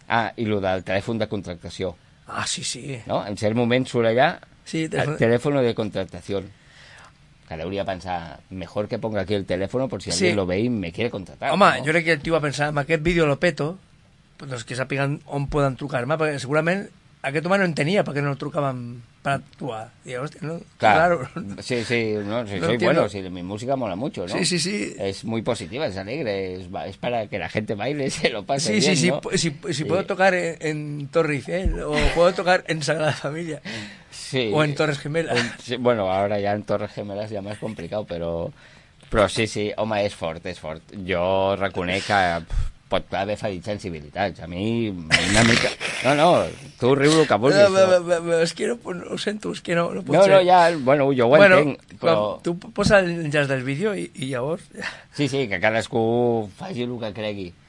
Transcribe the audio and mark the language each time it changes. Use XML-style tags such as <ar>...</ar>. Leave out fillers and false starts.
<ca>Ah, i el del telèfon de contractació. Ah, sí, sí. No? En cert moment surt allà sí, el telèfon de contractació. Que hauria de pensar,</ca> <es>mejor que ponga aquí el teléfono por si sí. Alguien lo ve y me quiere contratar.</es> <ca>Home, ¿no? Jo crec que el tio va pensar, amb aquest vídeo lo peto, doncs que sàpiguen on poden trucar-me, perquè segurament aquest home no en tenia perquè no el trucaven per actuar. Diu, hòstia, no?</ca> <es>Claro. Claro. Sí, sí, no, sí, no sí bueno, sí, mi música mola mucho, ¿no? Sí, sí, sí. Es muy positiva, es alegre, es para que la gente baile, se lo pase sí, bien, sí, ¿no? Sí, sí, si puedo tocar en Torre Eiffel o puedo tocar en Sagrada Familia. Sí. O en Torres Gemelas. Sí, bueno, ahora ya en Torres Gemelas ya más complicado, pero sí, sí,</es> <ca>home, és fort, és fort. Jo reconec que pot haver ferit sensibilitats. A mi, una mica... No, no, tu riu el que vulguis. No, però... És que no, ho sento, és que no, no pot ser. No, no, ja, bueno, jo ho bueno, entenc, però... Tu posa el jazz del vídeo i llavors... Sí, sí, que cadascú faci el que cregui.</ca>